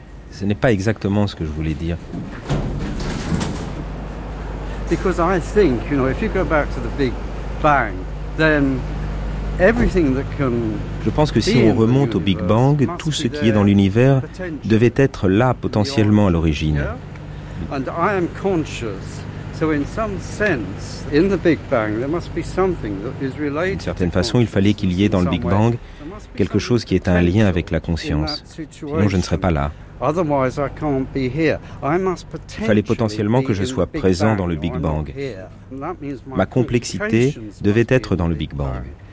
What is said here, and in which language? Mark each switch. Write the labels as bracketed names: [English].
[French] Ce n'est pas exactement ce que je voulais dire. [English] Because I think, you know, if you go back to the Big Bang, then everything that can. [French] Je pense que si on remonte au Big Bang, tout ce qui est dans l'univers devait être là potentiellement à l'origine. [English] And I am conscious. So in some sense, in the Big Bang, there must be something that is related. [French] D'une certaine façon, il fallait qu'il y ait dans le Big Bang quelque chose qui ait un lien avec la conscience. Sinon, je ne serais pas là. [English] Otherwise, I can't be here. I must potentially. [French] Il fallait potentiellement que je sois présent dans le Big Bang. Ma complexité devait être dans le Big Bang.